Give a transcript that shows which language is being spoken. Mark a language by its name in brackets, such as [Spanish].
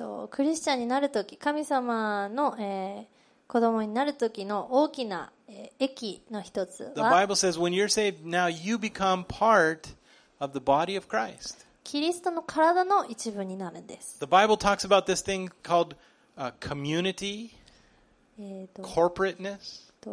[Japanese] クリスチャンになるとき、神様の、子供になるときの大きな、益の一つは、 [English] The Bible says, when you're saved, now you become part of the body of Christ. [Japanese] キリストの体の一部になるんです。 [English] The Bible talks about this thing called community, corporateness,